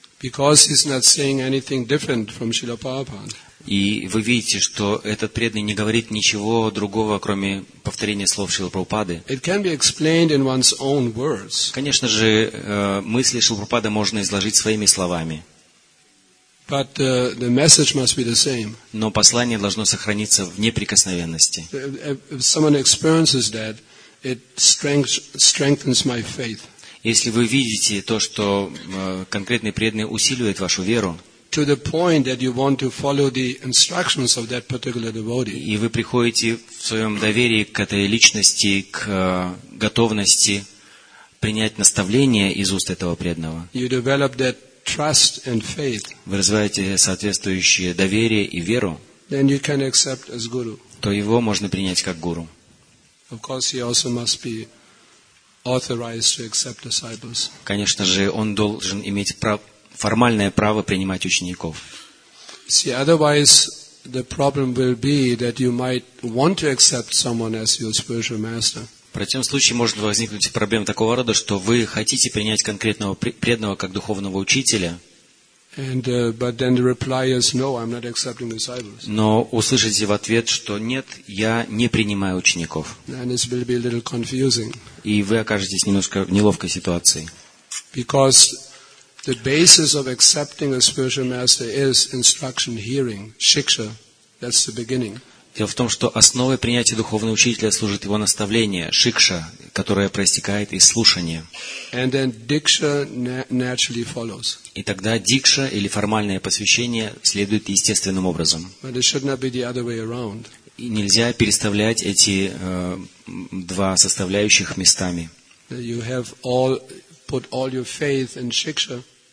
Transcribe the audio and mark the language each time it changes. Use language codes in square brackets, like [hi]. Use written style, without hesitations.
[en] Because he's not saying anything different from Srila Prabhupada. [ru] И вы видите, что этот преданный не говорит ничего другого, кроме повторения слов Шрилы Прабхупады. [en] It can be explained in one's own words. [ru] Конечно же, мысли Шрилы Прабхупады можно изложить своими словами. [en] But the message must be the same. [ru] Но послание должно сохраниться в неприкосновенности. [en] If someone experiences that, it strengthens my faith. [ru] Если вы видите то, что конкретный преданный усиливает вашу веру, [en] to the point that you want to follow the instructions of that particular devotee. [ru] И вы приходите в своем доверии к этой личности, к готовности принять наставление из уст этого преданного. [en] You develop that trust and faith. [ru] Вы развиваете соответствующее доверие и веру. [en] Then you can accept as guru. [ru] То его можно принять как гуру. [en] Of course, he also must be authorized to accept disciples. [ru] Конечно же, он должен иметь право. Формальное право принимать учеников. [en] See, otherwise the problem will be that you might want to accept someone as your spiritual master. [ru] В противном случае может возникнуть проблема такого рода, что вы хотите принять конкретного преданного как духовного учителя. [en] But then the reply is, no, I'm not accepting disciples. [ru] Но услышите в ответ, что нет, я не принимаю учеников. [en] And this will be a little confusing. [ru] И вы окажетесь немножко в неловкой ситуации. [en] Because the basis of accepting a spiritual master is instruction hearing, shiksha. That's the beginning. [ru] Дело в том, что основой принятия духовного учителя служит его наставление, шикша, которое проистекает из слушания. [en] And then diksha naturally follows. [ru] И тогда дикша или формальное посвящение следует естественным образом. [en] But it should not be the other way around. [ru] И нельзя переставлять эти два составляющих местами. [en] You have all, put all your faith in shiksha.